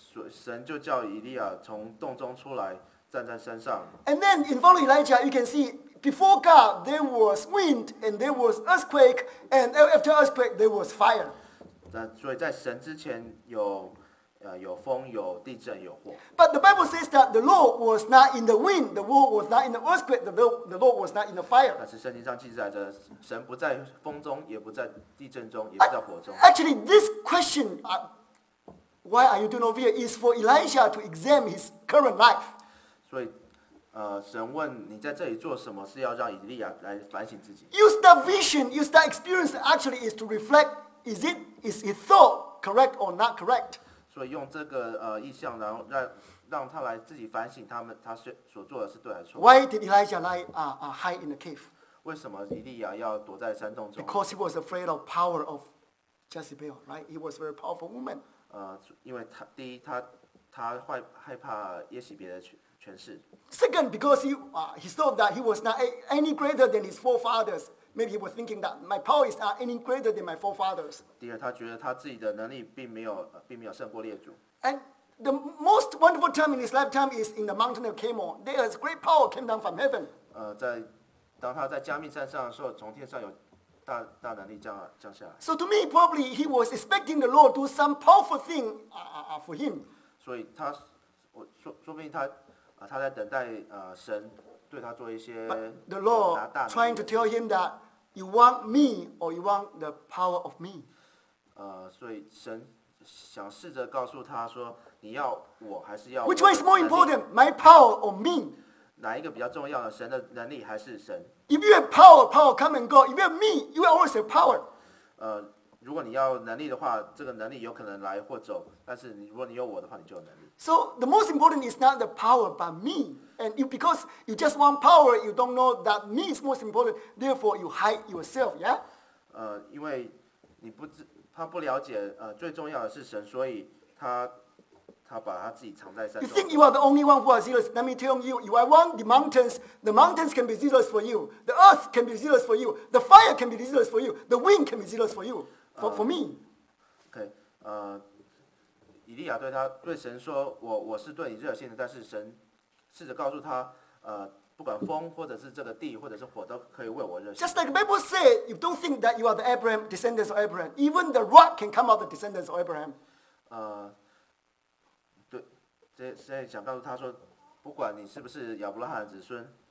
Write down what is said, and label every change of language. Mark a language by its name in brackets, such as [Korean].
[Chinese] 神就叫以利亚从洞中出来，站在山上。 [English] And then in front of Elijah, you can see before God, there was wind, and there was earthquake, and after earthquake, there was fire. [Chinese] 所以在神之前有风，有地震，有火。 [English] But the Bible says that the Lord was not in the wind, the Lord was not in the earthquake, the Lord was not in the fire. [Chinese] 但是圣经上记载着，神不在风中，也不在地震中，也不在火中。 [English] Actually, this question, why are you doing over here, is for Elijah to examine his current life. [Chinese] 所以，神问你在这里做什么，是要让以利亚来反省自己。 [English] Use that vision, use that experience, actually is to reflect, is his thought correct or not correct? [Chinese] 所以用这个意象，然后让他来自己反省他所做的是对还是错。 [English] Why did Elijah lie hide in the cave? [Chinese] 为什么以利亚要躲在山洞中？ [English] Because he was afraid of power of Jezebel, right? He was a very powerful woman. [Chinese] 因为他第一他害怕耶洗别的权势。 [English] Second, because he thought that he was not any greater than his forefathers. Maybe he was thinking that my power is not any greater than my forefathers. [Chinese] 第二，他觉得他自己的能力并没有胜过列祖。 [English] And the most wonderful time in his lifetime is in the mountain of Carmel. There is great power came down from heaven. [Chinese] 当他在加密山上的时候，从天上有大能力降下来。 [English] So to me, probably he was expecting the Lord to do some powerful thing for him. [Chinese] 所以他，我说不定他在等待神对他做一些大能力。 [English] But the Lord trying to tell him that you want me or you want the power of me. [Chinese] 所以神想试着告诉他说，你要我还是要我。 [English] Which one is more important, my power or me? [Chinese] 哪一个比较重要呢？神的能力还是神 [English] ？If you have power, power come and go. If you have me, you will always have power. [Chinese] 如果你要能力的话，这个能力有可能来或走。但是如果你有我的话，你就有能力。 [English] So the most important is not the power, but me. And because you just want power, you don't know that me is most important. Therefore, you hide yourself, yeah? [Chinese] 因为你不知他不了解最重要的是神，所以他把他自己藏在山中。 [English] You think you are the only one who are zealous? Let me tell you, you are one. The mountains, can be zealous for you. The earth can be zealous for you. The fire can be zealous for you. The wind can be zealous for you. For me. Okay. [Chinese] 以利亚对神说，我是对你热心的，但是神试着告诉他，不管风或者是这个地或者是火都可以为我热心。 [English] Just like the Bible said, you don't think that you are the Abraham descendants of Abraham. Even the rock can come out the descendants of Abraham. [Chinese] 对，这想告诉他说，不管你是不是亚伯拉罕的子孙。